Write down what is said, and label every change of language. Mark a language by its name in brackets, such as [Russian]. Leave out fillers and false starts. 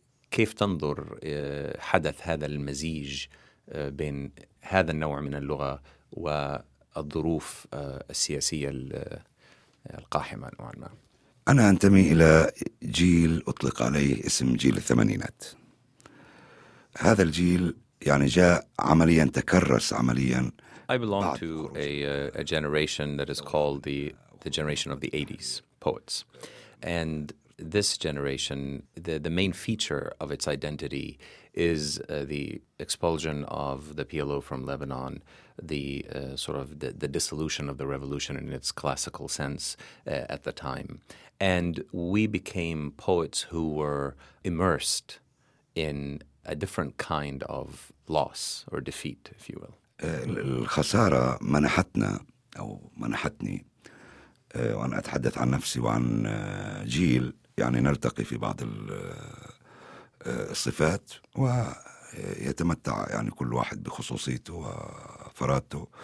[Arabic] كيف تنظر حدث هذا المزيج بين هذا النوع من اللغة والظروف السياسية القاحمة نوعا ما؟ أنا أنتمي إلى جيل أطلق عليه اسم جيل الثمانينات. هذا الجيل يعني جاء عمليا تكرس عمليا. [English] I belong to a generation that is called the generation of the 80s poets. And this generation, the main feature of its identity is the expulsion of the PLO from Lebanon, the sort of the dissolution of the revolution in its classical sense at the time. And we became poets who were immersed in a different kind of loss or defeat, if you will. [Arabic] الخسارة منحتنا أو منحتني وأنا أتحدث عن نفسي وعن جيل يعني نلتقي في بعض الصفات ويتمتع يعني كل واحد بخصوصيته وفرادته.